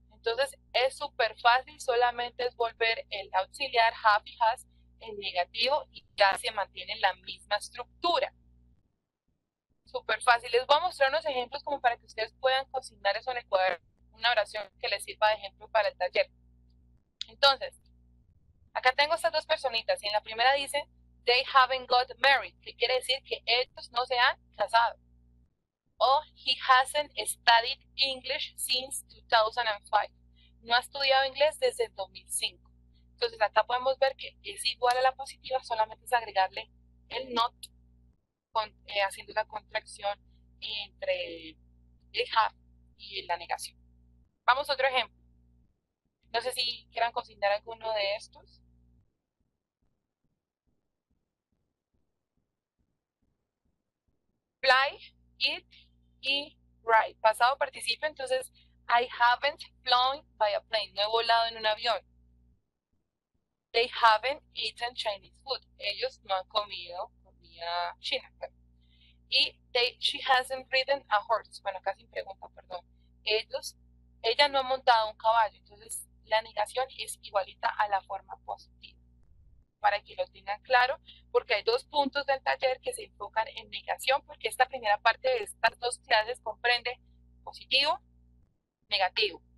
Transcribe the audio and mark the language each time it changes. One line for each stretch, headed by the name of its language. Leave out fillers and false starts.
Spanish: Entonces es súper fácil, solamente es volver el auxiliar have y has en negativo y ya se mantiene la misma estructura. Súper fácil. Les voy a mostrar unos ejemplos como para que ustedes puedan cocinar eso en el cuaderno. Una oración que les sirva de ejemplo para el taller. Entonces, acá tengo estas dos personitas y en la primera dice,
English: they haven't got married,
Spanish: que quiere decir que ellos no se han casado.
English: O he hasn't studied English since 2005.
Spanish: No ha estudiado inglés desde 2005. Entonces acá podemos ver que es igual a la positiva, solamente es agregarle el not con, haciendo la contracción entre el have y la negación. Vamos a otro ejemplo. No sé si quieran consignar alguno de estos.
English: Fly, eat y ride.
Spanish: Pasado participio, entonces
English: I haven't flown by a plane.
Spanish: No he volado en un avión.
English: They haven't eaten Chinese food.
Spanish: Ellos no han comido comida china.
English: Y she hasn't ridden a horse.
Spanish: Bueno, acá sin pregunta, perdón. Ella no ha montado un caballo. Entonces, la negación es igualita a la forma positiva. Para que lo tengan claro, porque hay dos puntos del taller que se enfocan en negación, porque esta primera parte de estas dos clases comprende positivo, negativo.